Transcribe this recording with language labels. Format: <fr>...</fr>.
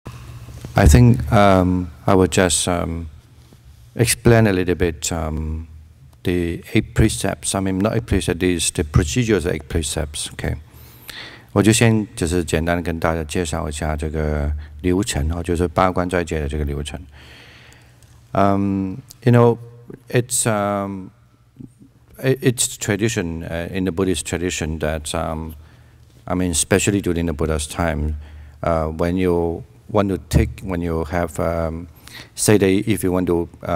<en>I think I would just explain a little bit the eight precepts. I mean, not eight precepts, these the procedures of eight precepts. Okay.</en> <zh>我就先就是简单跟大家介绍一下这个流程，就是八关斋戒的这个流程。</zh> <en>You know, it's tradition in the Buddhist tradition that, I mean, especially during the Buddha's time, when you want to take, when you have, say that if you want to</en>